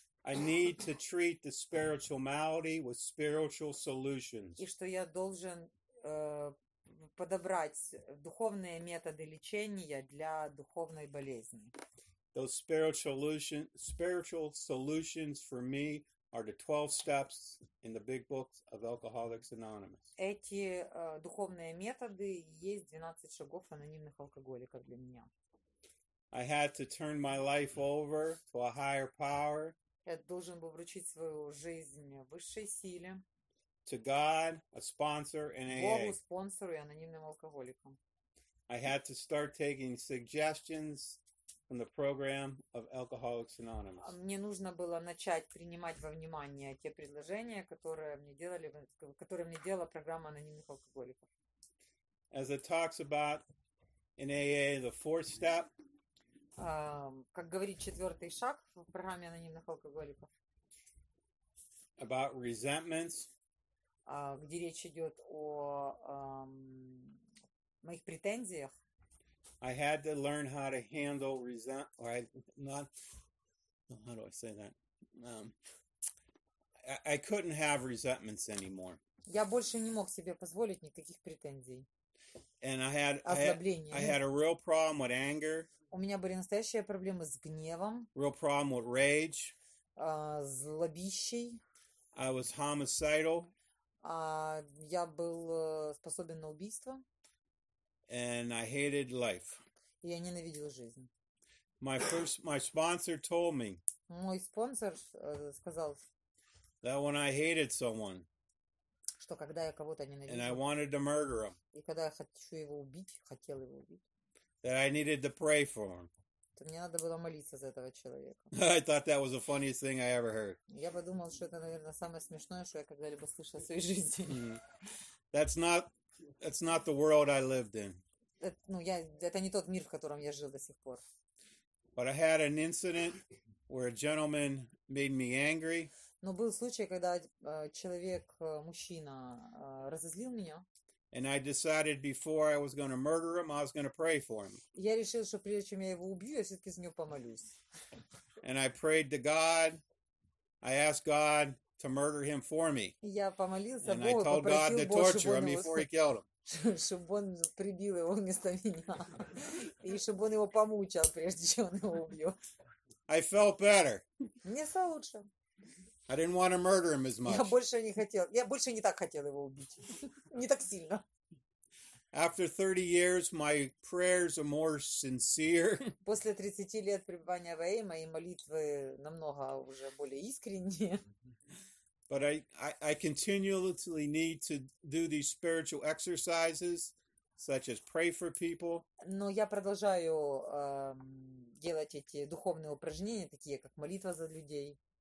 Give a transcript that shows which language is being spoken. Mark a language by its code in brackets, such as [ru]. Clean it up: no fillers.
[en] I need to treat the spiritual malady with spiritual solutions. [ru] И что я должен подобрать духовные методы лечения для духовной болезни. [en] Those spiritual solutions for me are the 12 steps in the big book of Alcoholics Anonymous. [ru] Эти духовные методы есть 12 шагов анонимных алкоголиков для меня. [en] I had to turn my life over to a higher power. [ru] Я должен был вручить свою жизнь высшей силе, [en] To God, a sponsor, [ru] Богу, [en] and AA. [ru] спонсору и анонимным алкоголикам. [en] I had to start taking suggestions from the program of Alcoholics Anonymous. [ru] Мне нужно было начать принимать во внимание те предложения, которые мне делала программа анонимных алкоголиков. [en] As it talks about in AA, the fourth step. [ru] Как говорит четвертый шаг в программе анонимных алкоголиков, [en] About resentments. [ru] где речь идет о моих претензиях, [en] I had to learn how to handle resent, or I not. How do I say that? I couldn't have resentments anymore. [ru] я больше не мог себе позволить никаких претензий, [en] And I [ru] озлобления. [en] had a real problem with anger. [ru] У меня были настоящие проблемы с гневом, [en] Real problem with rage. [ru] злобищей. [en] I was homicidal. [ru] Я был способен на убийство. [en] And I hated life. [ru] И я ненавидел жизнь. [en] My sponsor told me [ru] Мой спонсор сказал, [en] that when I hated someone [ru] что когда я кого-то [en] and I [ru] ненавижу, [en] wanted to murder him, [ru] и когда я хочу его убить, хотел его убить, [en] that I needed to pray for him. [ru] мне надо было молиться за этого человека. [en] I thought that was the funniest thing I ever heard. [ru] Я подумал, что это, наверное, самое смешное, что я когда-либо слышал в своей жизни. [en] That's not the world I lived in. [ru] Это не тот мир, в котором я жил до сих пор. [en] But I had an incident where a gentleman made me angry. [ru] Но был случай, когда человек, мужчина, разозлил меня. [en] And I decided before I was going to murder him, I was going to pray for him. [ru] Я решил, что прежде чем я его убью, я все-таки за него помолюсь. [en] And I prayed to God. I asked God to murder him for me. [ru] Я помолился [en] And I [ru] Богу, [en] told God [ru] попросил [en] to [ru] Бога, [en] torture him before he killed him. [ru] чтобы он прибил его вместо меня. И чтобы он его помучал, прежде чем он его убьет. [en] I felt better. [ru] Мне стало лучше. [en] I didn't want to murder him as [ru] Я [en] much. [ru] больше не хотел. Я больше не так хотел его убить. Не так сильно. [en] After 30 years, my prayers are more sincere. [ru] После 30 лет пребывания в АА мои молитвы намного уже более искренние. [en] But I continually need to do these spiritual exercises, such as pray for people. [ru] Но я продолжаю делать эти духовные упражнения, такие как молитва за людей.